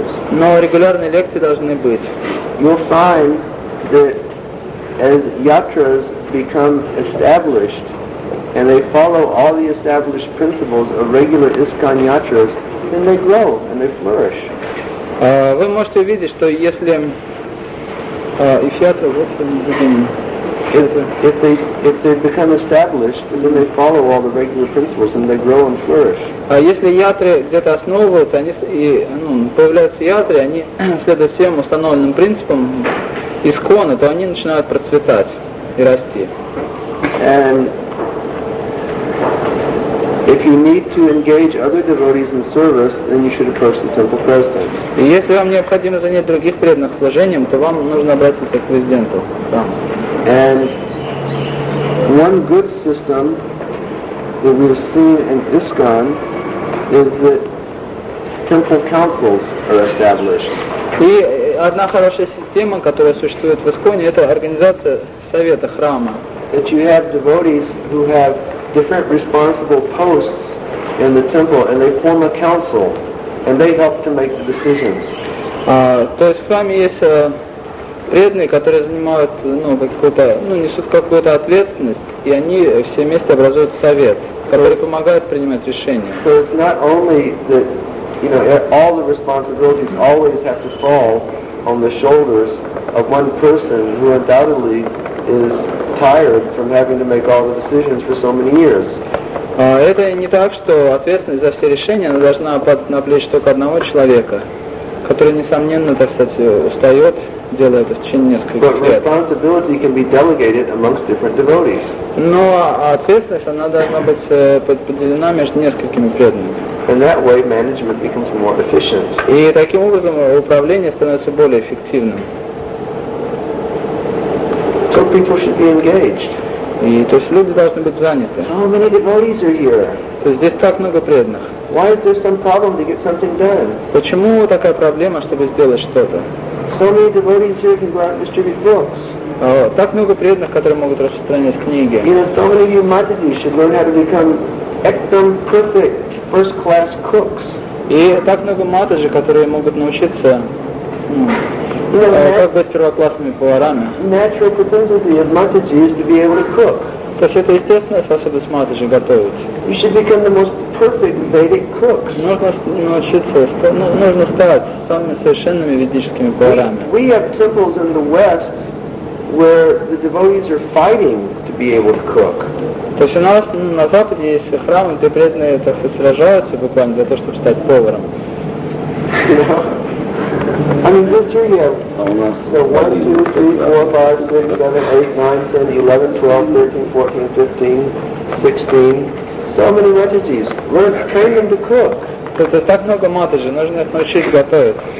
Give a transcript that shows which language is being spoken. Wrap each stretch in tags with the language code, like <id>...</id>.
<ru>Но регулярные лекции должны быть.</ru> <en>You'll find that as yatras become established and they follow all the established principles of regular ISKCON yatras, then they grow and they flourish.</en> <ru>Вы можете увидеть, что если ифьятра, вот они другими.</ru> <en>If they become established, then they follow all the regular principles, and they grow and flourish.</en> <ru>А если ятры где-то основываются, они появляются ятры, они следуют всем установленным принципам ИСККОНа, то они начинают процветать и расти.</ru> <en>And if you need to engage other devotees in service, then you should approach the temple president.</en> <ru>И если вам необходимо занять других преданных служением, то вам нужно обратиться к президенту.</ru> <en>And one good system that we've seen in ISKCON is that temple councils are established.</en> <ru>И одна хорошая система, которая существует в ИСККОНе, это организация совета храма.</ru> <en>That you have devotees who have different responsible posts in the temple, and they form a council, and they help to make the decisions.</en> <ru>То есть в храме есть преданные, которые занимают несут какую-то ответственность, и они все вместе образуют совет, который помогает принимать решения.</ru> <en>So it's not only that, all the responsibilities always have to fall on the shoulders of one person who undoubtedly is tired from having to make all the decisions for so many years.</en> <ru>Это не так, что ответственность за все решения она должна падать на плечи только одного человека, который, несомненно, устает. Делает это в течение нескольких лет.</ru> <en>But responsibility can be delegated amongst different devotees.</en> <ru>Но ответственность она должна быть поделена между несколькими преданными.</ru> <en>And that way management becomes more efficient.</en> <ru>И таким образом управление становится более эффективным.</ru> <en>So people should be engaged.</en> <ru>И то есть люди должны быть заняты.</ru> <en>So many devotees are here.</en> <ru>То есть здесь так много преданных.</ru> <en>Why is there some problem to get something done?</en> <ru>Почему такая проблема, чтобы сделать что-то?</ru> <en>So many devotees here can go out and distribute books.</en> <ru>Так много преданных, которые могут распространять книги.</ru> <en>So many of you Matadi should learn how to become ectum perfect, first-class cooks.</en> <ru>И так много Матаджи, которые могут научиться как быть первоклассными поварами.</ru> <en>Natural propensity of Matadi is to be able to cook.</en> <ru>То есть это естественная способность Матаджи готовить.</ru> <en>You should become the most perfect Vedic cooks.</en> <ru>Нужно стать самыми совершенными ведическими поварами.</ru> <en>We have temples in the West where the devotees are fighting to be able to cook.</en> <ru>То есть у нас на Западе есть храмы, где преданные так сражаются буквально для того, чтобы стать поваром.</ru> <en>This year you have 1, 2, 3, 4, 5, 6, 7, 8, 9, 10, 11, 12, 13, 14, 15, 16. So many Matajis. Train them to cook.</en> <ru>Так много Матаджи, нужно их научить готовить.</ru>